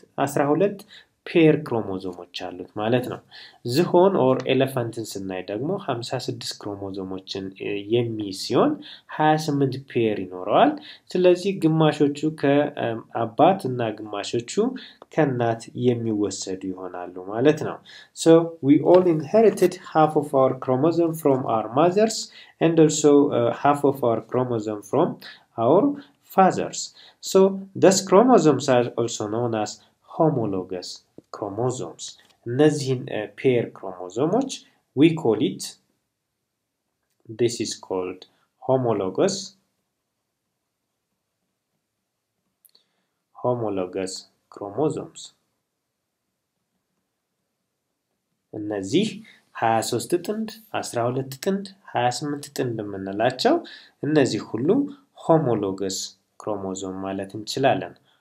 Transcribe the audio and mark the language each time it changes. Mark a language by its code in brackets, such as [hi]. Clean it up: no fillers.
[am] 12 pair chromosomes አሉት ማለት ነው። ዝሆን ኦር ኤሌፋንትን ስናይ ደግሞ 56 ክሮሞዞሞችን የሚይዝ 28 pair ይኖራል። ስለዚህ ግማሾቹ ከአባት እና ግማሾቹ ከእናት የሚወሰዱ ይሆናሉ ማለት ነው። [en] So we all inherited half of our chromosome from our mothers and also half of our chromosome from our fathers. So these chromosomes are also known as homologous chromosomes. [am] እነዚህን [en] pair chromosomes we call it, this is called homologous chromosomes. [am] እነዚህ 23 ጥንድ 12 ጥንድ 28 ጥንድ የምንላቸው እነዚህ ሁሉ homologous chromosome ማለት እንችላለን.